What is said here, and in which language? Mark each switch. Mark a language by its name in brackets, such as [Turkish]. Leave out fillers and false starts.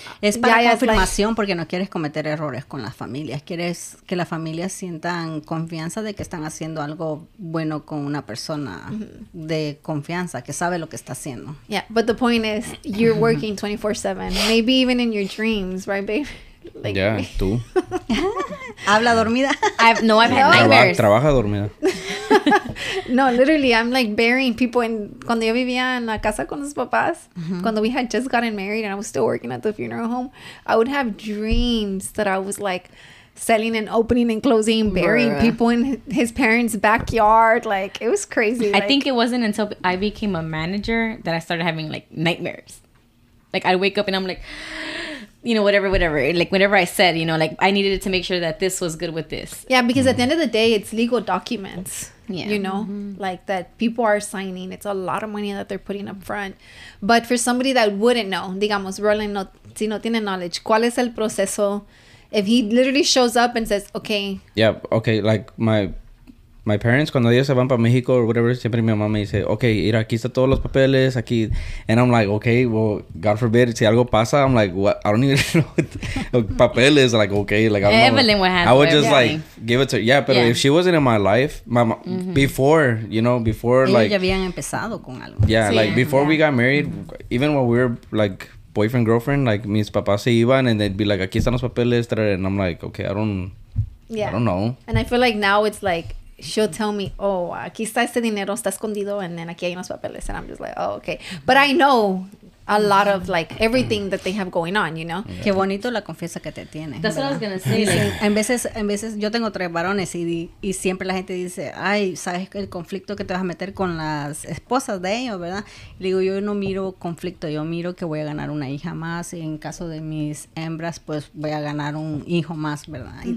[Spanish] es para confirmación, [English] like, [Spanish] porque no quieres cometer errores con las familias, quieres que las familias sientan confianza de que están haciendo algo bueno con una persona mm-hmm. de confianza que sabe lo que está haciendo. [English] Yeah, but the point is, you're working 24/7, maybe even in your dreams, right, babe? Like, yeah, [Spanish] tú. Habla dormida. [English] I've had nightmares. [Spanish] Trabaja dormida. [English] No, literally, I'm like burying people. And [Spanish] cuando yo vivía en la casa con mis papás, [English] mm-hmm. [Spanish] cuando [English] we had just gotten married and I was still working at the funeral home, I would have dreams that I was like selling and opening and closing, burying people in his parents' backyard. Like, it was crazy. I think it wasn't until I became a manager that I started having like nightmares. Like, I'd wake up and I'm like, you know, whatever. Like, whatever I said, you know, like, I needed to make sure that this was good with this. Yeah, because at the end of the day, it's legal documents, yeah. you know, mm-hmm. like, that people are signing. It's a lot of money that they're putting up front. But for somebody that wouldn't know, [Spanish] digamos, Roland, si no tiene [English] knowledge, [Spanish] ¿cuál es el proceso? [English] If he literally shows up and says, okay. Yeah, okay, like, my parents, [Spanish] cuando ellos se van para México [English] or whatever, [Spanish] siempre mi mamá me dice, okay, mira, aquí están todos los papeles, aquí. [English] And I'm like, okay, well, God forbid, [Spanish] si algo pasa, [English] I'm like, what? I don't even know. [Spanish] Papeles, [English] like, okay. Like, I don't know. Evelyn would have I would just, like, give it to her. Yeah, but if she wasn't in my life, my mm-hmm. before, you know, before, [Spanish] ellos [English] like. [Spanish] Ya habían empezado con algo. [English] Yeah, [Spanish] sí, [English] like, before we got married, mm-hmm. even when we were, like, boyfriend, girlfriend, like, [Spanish] mis papás se iban [English] and they'd be like, [Spanish] aquí están los papeles. [English] And I'm like, okay, I don't know. And I feel like now it's like, she'll tell me, oh, [Spanish] aquí está este dinero, está escondido, [English] and then [Spanish] aquí hay unos papeles, [English] and I'm just like, oh, okay. But I know a lot of, like, everything that they have going on, you know? [Spanish] Yeah. Qué bonito la confianza que te tiene. [English] That's [Spanish] ¿verdad? [English] What I was going to say. Like, [Spanish] en veces, yo tengo tres varones, y siempre la gente dice, ay, ¿sabes el conflicto que te vas a meter con las esposas de ellos, verdad? Y digo, yo no miro conflicto, yo miro que voy a ganar una hija más, y en caso de mis hembras, pues voy a ganar un hijo más, ¿verdad? Y mm-hmm.